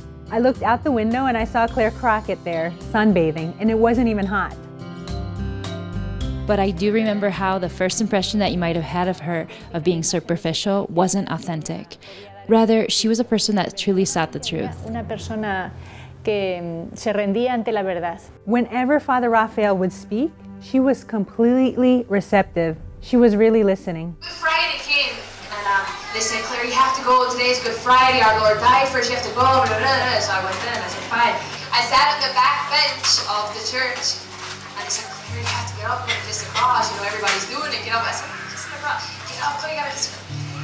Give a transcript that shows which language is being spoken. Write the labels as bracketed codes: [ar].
[en] I looked out the window and I saw Claire Crockett there, sunbathing, and it wasn't even hot. But I do remember how the first impression that you might have had of her, of being superficial, wasn't authentic. Rather, she was a person that truly sought the truth. [es] Una persona que se rendía ante la verdad. [en] Whenever Father Raphael would speak, she was completely receptive. She was really listening. Good Friday came, and they said, Claire, you have to go. Today's Good Friday. Our Lord died for us. You have to go. So I went in, and I said, fine. I sat on the back bench of the church, and they said, Claire, you have to get up and kiss the cross. You know, everybody's doing it. Get up. I said, I'm kissing the cross. Get up, Claire, you gotta kiss the cross.